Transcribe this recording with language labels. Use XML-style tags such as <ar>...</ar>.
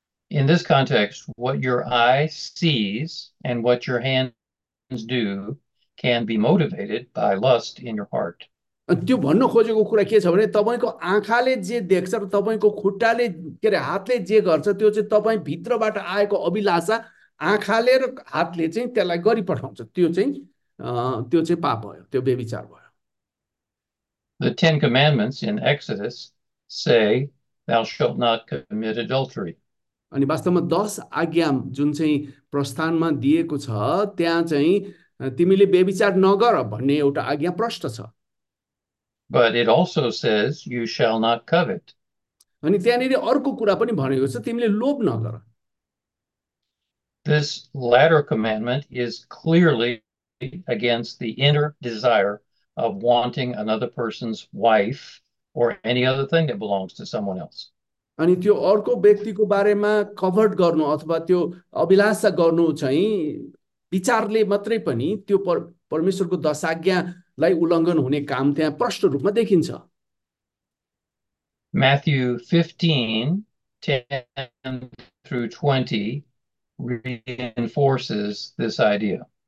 <en>In this context, what your eye sees and what your hands do can be motivated by lust in your heart.</en> <ne>त्यो भन्न खोजेको कुरा के छ भने तपाईँको आँखाले जे देख्छ र तपाईँको खुट्टाले के अरे हातले जे गर्छ त्यो चाहिँ तपाईँ भित्रबाट आएको अभिलाषा आँखाले र हातले चाहिँ त्यसलाई गरिपठाउँछ, त्यो चाहिँ पाप भयो, त्यो व्यभिचार भयो.</ne> <en>The Ten Commandments in Exodus say, Thou shalt not commit adultery.</en> <ne>अनि वास्तवमा 10 आज्ञा जुन चाहिँ प्रस्थानमा दिएको छ त्यहाँ चाहिँ तिमीले व्यभिचार नगर भन्ने एउटा आज्ञा प्रष्ट छ.</ne> <en>But it also says, You shall not covet.</en> <ne>अनि त्यहाँनिर अर्को कुरा पनि भनेको छ, तिमीले लोभ नगर.</ne> <en>This latter commandment is clearly against the inner desire of wanting another person's wife or any other thing that belongs to someone else.</en> <ne>अनि त्यो अर्को व्यक्तिको बारेमा कभर्ड गर्नु अथवा त्यो अभिलाषा गर्नु चाहिँ विचारले मात्रै पनि त्यो परमेश्वरको दशाज्ञालाई उल्लङ्घन हुने काम त्यहाँ प्रष्ट रूपमा देखिन्छ।</ne> <en>Matthew 15:10-20 reinforces this idea.</en>